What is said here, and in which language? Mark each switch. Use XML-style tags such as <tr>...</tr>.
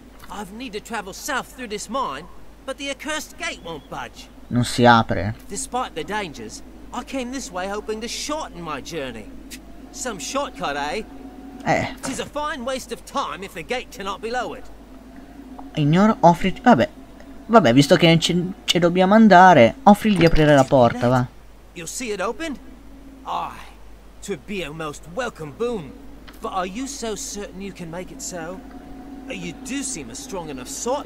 <en>I've need to travel south through this mine, but the accursed gate won't budge.</en> <it>Non si apre.</it> <en>Despite the dangers, I came this way hoping to shorten my journey. Some shortcut, eh? It is a fine waste of time if the gate cannot be lowered.</en> <it>Ignora offri. Vabbè. Vabbè, visto che ci dobbiamo andare, offrigli di aprire la porta, va.</it> <en>You see it open? Ah. To be a most welcome boon. But are you so certain you can make it so? You do seem a strong enough sort.</en>